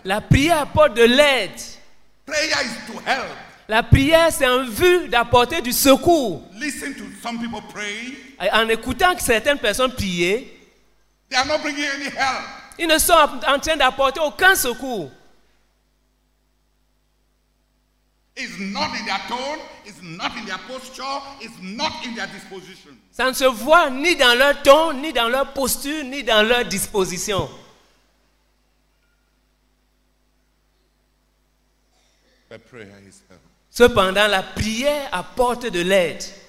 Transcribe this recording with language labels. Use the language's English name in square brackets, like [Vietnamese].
[French] La prière apporte de l'aide. [English] Prayer is to help. [French] La prière, c'est en vue d'apporter du secours. [English] Listen to some people pray. [French] En écoutant certaines personnes prier, [English] they are not bringing any help. [French] Ils ne sont en train d'apporter aucun secours. [English] It's not in their tone, it's not in their posture, it's not in their disposition. [French] Ça ne se voit ni dans leur ton, ni dans leur posture, ni dans leur disposition. [English] The prayer is help. [French] Cependant, la prière apporte de l'aide.